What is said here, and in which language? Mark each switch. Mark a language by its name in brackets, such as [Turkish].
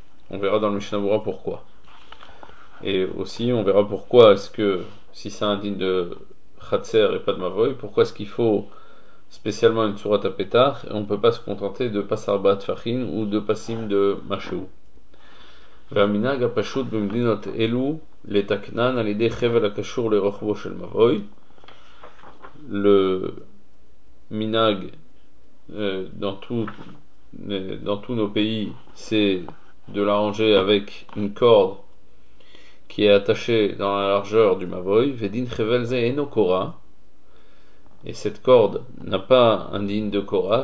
[French] On verra dans le Mishnah Bura pourquoi. Et aussi, on verra pourquoi est-ce que, si c'est un din de chatzer et pas de mavoï, pourquoi est-ce qu'il faut spécialement une tsurat à pétard et on ne peut pas se contenter de pasar bat fachin ou de pasim de machéou. [Hebrew] והמנהג הפשוט במדינות אלו לתקנן על ידי חבל הקשור לרוחבו של מבוי. [French] Le minhag dans tous nos pays, c'est de l'arranger avec une corde qui est attachée dans la largeur du mavoy. [Hebrew] Vedin chevel ze eno kora. [French] Et cette corde n'a pas un din de kora.